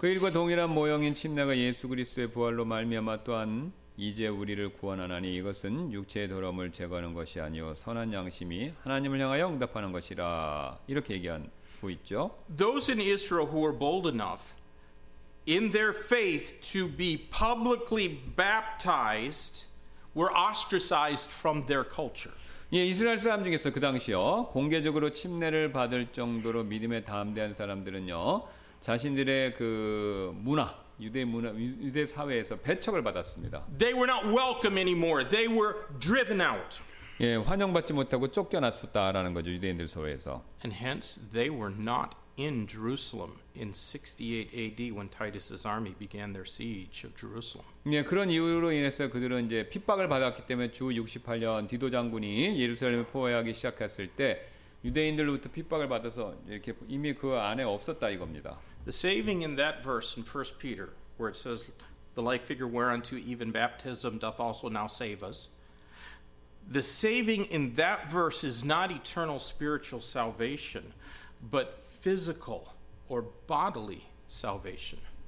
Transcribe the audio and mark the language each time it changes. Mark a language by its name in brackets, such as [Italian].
[Korean] 그 일과 동일한 모형인 침례가 예수 그리스도의 부활로 말미암아 또한 이제 우리를 구원하나니 이것은 육체의 더러움을 제거하는 것이 아니요 선한 양심이 하나님을 향하여 응답하는 것이라 이렇게 얘기하고 있죠. [English] Those in Israel who were bold enough in their faith to be publicly baptized were ostracized from their culture. [Korean] 예, 이스라엘 사람 중에서 그 당시요 공개적으로 침례를 받을 정도로 믿음에 담대한 사람들은요 자신들의 그 문화 유대 문화 유대 사회에서 배척을 받았습니다. [English] They were not welcome anymore. They were driven out. [Korean] 예, 환영받지 못하고 쫓겨났었다라는 거죠 유대인들 사회에서. [English] And hence they were not in Jerusalem in 68 AD when Titus's army began their siege of Jerusalem. [Korean] 예, 그런 이유로 인해서 그들은 이제 핍박을 받았기 때문에 주 68년 디도 장군이 예루살렘을 포위하기 시작했을 때 유대인들로부터 핍박을 받아서 이렇게 이미 그 안에 없었다 이겁니다. [English] The saving in that verse in 1 Peter, where it says, "The like figure whereunto even baptism doth also now save us," the saving in that verse is not eternal spiritual salvation, but physical or bodily salvation.